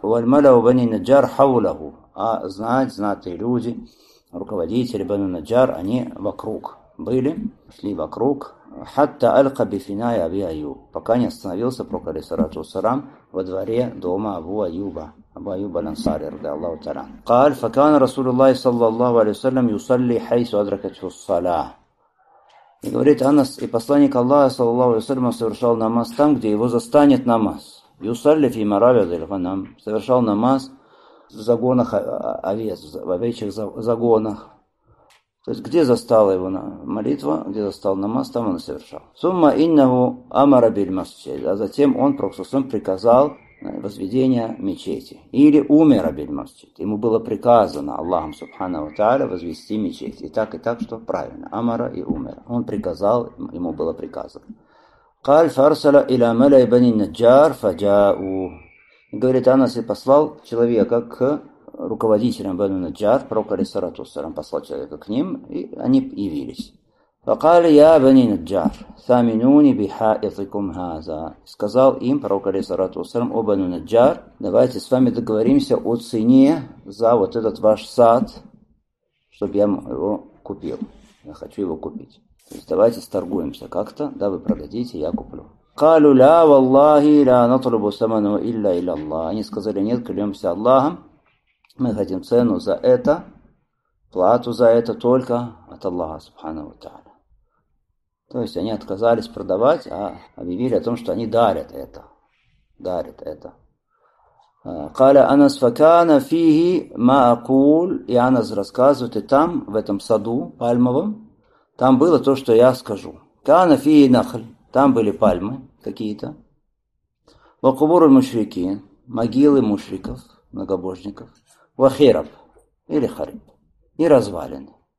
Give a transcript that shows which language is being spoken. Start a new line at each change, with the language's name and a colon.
Arabic: Валь малау бани Наджар хаулаху.
Russian: А знатные люди, руководители бану Наджар, они вокруг. были, шли вокруг,
Arabic: хатта алька бифиная Абу Аюб,
Russian: пока не остановился пророк, саляту ассалям, во дворе дома Абу Аюба.
Arabic: Абу Аюба Ансари, رضي الله تعالى عنه. قال فكان رسول الله صلى الله عليه وسلم يصلي حيث أدركته الصلاة.
Russian: И говорит Анас, и посланник Аллаха, саллаллаху алейхи ва саллям, совершал намаз там, где его застанет намаз.
Arabic: Юсалли фи маравид аль-ганам,
Russian: совершал намаз в загонах овец, в овечьих загонах. То есть, где застала его молитва, где застал намаз, там он и совершал.
Arabic: Сумма иннаху амара биль масджид,
Russian: а затем он, проксусом, приказал возведение мечети. Или
Arabic: умера биль масджид,
Russian: ему было приказано Аллахом Субхана ва Тааля возвести мечеть. И так, что правильно, амара и умера. Он приказал, ему было приказано.
Arabic: قال فارسل الى ملا بني النجار فجاءوا.
Russian: Говорит, Анас и послал человека к руководителям Бану Наджар, пророк алейхиссалату вассалям, послал человека к ним, и они явились.
Arabic: فقال يا بني نجار ثامنوني بحائطكم هذا.
Russian: Сказал им пророк алейхиссалату вассалям: о Бану Наджар, давайте с вами договоримся о цене за вот этот ваш сад, чтобы я его купил. Я хочу его купить. То есть давайте сторгуемся как-то, да, вы продадите, я куплю.
Arabic: قالوا لا والله لا نطلب ثمنه إلا إلى الله.
Russian: Они сказали: нет, клянемся Аллахом, мы хотим цену за это, плату за это только от Аллаха Субханаху ва Тааля. То есть они отказались продавать, а объявили о том, что они дарят это. Дарят это.
Arabic: قال Анас فكان فيه ما أقول.
Russian: И Анас рассказывает, и там, в этом саду пальмовом, там было то, что я скажу.
Arabic: Кана фи нахль.
Russian: Там были пальмы какие-то.
Arabic: Ва кубуру мушрики.
Russian: Могилы мушриков, многобожников.
Arabic: Ва хираб.
Russian: Или хариб. И развалины.